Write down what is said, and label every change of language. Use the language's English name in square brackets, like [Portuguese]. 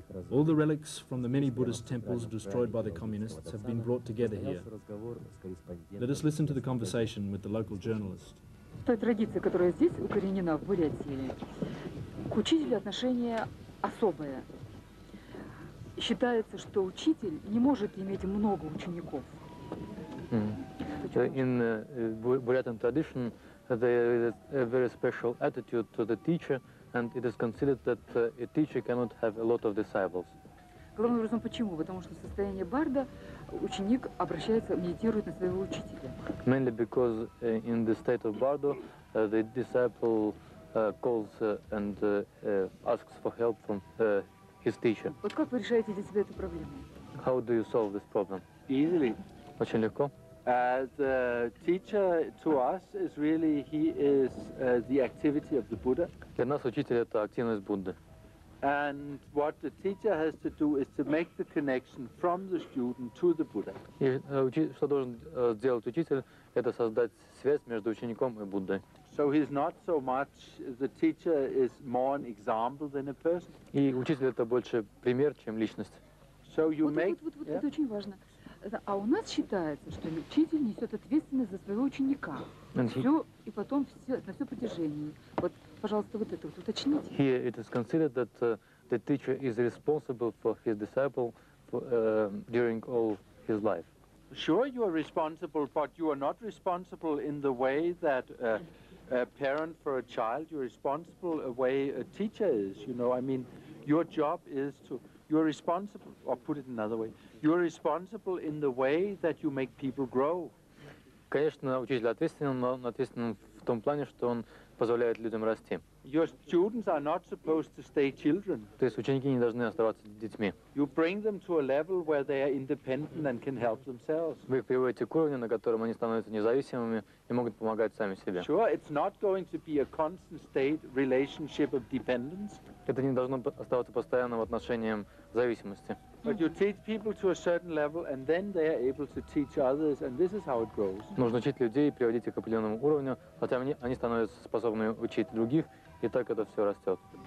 [English] All the relics from the many Buddhist temples destroyed by the communists have been brought together here. Let us listen to the conversation with the local journalist. [Russian] Традиция, которая здесь укоренена в Бурятии, к учителю отношение особое. Считается, что учитель не может иметь много учеников. [English] In Burmese tradition, there is a very special attitude to the teacher, and it is considered that a teacher cannot have a lot of disciples. [Russian] Главным образом почему? Потому что в состоянии барда ученик обращается, медитирует на своего учителя. [English] Mainly because in the state of bardo, the disciple calls and asks for help from his teacher. [Russian] Вот как вы решаете для себя эту проблему? [English] How do you solve this problem? Easily. [Russian] Очень легко. [English] The teacher to us is really he is the activity of the Buddha. [Russian] Для нас учитель это активность Будды. [English] And what the teacher has to do is to make the connection from the student to the Buddha. [Russian] И что должен сделать учитель, это создать связь между учеником и Буддой. [English] So he's not so much, the teacher is more an example than a person. [Russian] И учитель это больше пример, чем личность. [English] So you make... [Russian] Вот, это очень важно. А у нас считается, что учитель несет ответственность за своего ученика. Все, и потом все, на все протяжении. Вот, пожалуйста, вот это вот уточните. [English] Here it is considered that the teacher is responsible for his disciple for, during all his life. Sure, you are responsible, but you are not responsible in the way that a parent for a child, you're responsible the way a teacher is, you know. I mean, your job is to, you're responsible, or put it another way, you're responsible in the way that you make people grow. [Russian] Конечно, учитель ответственен, но он ответственен в том плане, что он позволяет людям расти. [English] Your students are not supposed to stay children. [Russian] То есть ученики не должны оставаться детьми. [English] You bring them to a level where they are independent and can help themselves. [Russian] Вы их приводите к уровню, на котором они становятся независимыми и могут помогать сами себе. [English] Sure, it's not going to be a constant state relationship of dependence. [Russian] Это не должно оставаться постоянным отношением зависимости. [English] But you teach people to a certain level, and then they are able to teach others, and this is how it grows. [Russian] Нужно учить людей, приводить их к определенному уровню, хотя они становятся способными учить других, и так это все растет.